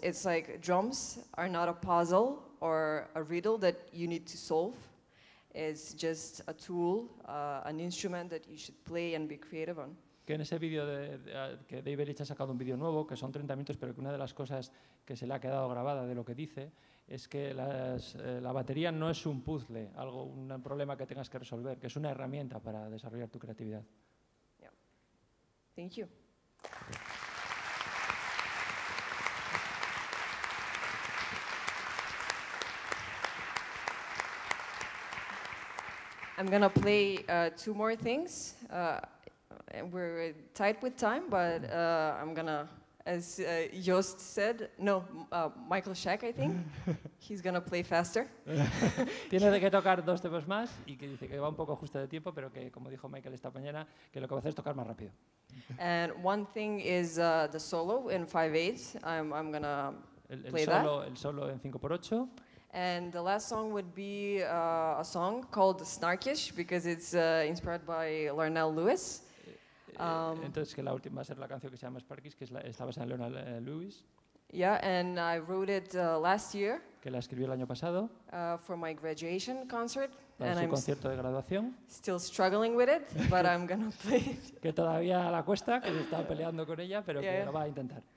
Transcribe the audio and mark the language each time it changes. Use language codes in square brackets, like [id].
[en] It's like, drums are not a puzzle or a riddle that you need to solve. It's just a tool, an instrument that you should play and be creative on. [es] Que en ese vídeo que Dave Illich ha sacado un vídeo nuevo, que son 30 minutos, pero que una de las cosas que se le ha quedado grabada de lo que dice es que la batería no es un puzzle, un problema que tengas que resolver, que es una herramienta para desarrollar tu creatividad. [en] Yeah. Thank you. I'm gonna play 2 more things. We're tight with time, but I'm gonna, as Jost said, no, Michael Shack, I think, he's gonna play faster. [es] Tiene que tocar 2 temas más y que dice que va un poco justo de tiempo, pero que, como dijo Michael esta mañana, que lo que va a hacer es tocar más rápido. [en] And one thing is the solo in 5/8. I'm gonna play solo, that. [es] El solo en 5/8. [en] And the last song would be a song called Snarkish, because it's inspired by Larnell Lewis. [es] Entonces que la última va a ser la canción que se llama Sparkies, que está basada en Leonard Lewis. [en] Yeah, and I wrote it last year. [es] Que la escribí el año pasado. [en] For my graduation concert. [es] Para su concierto de graduación. [en] Still struggling with it, but I'm gonna play it. [es] Que todavía la cuesta, que está peleando con ella, pero que lo va a intentar.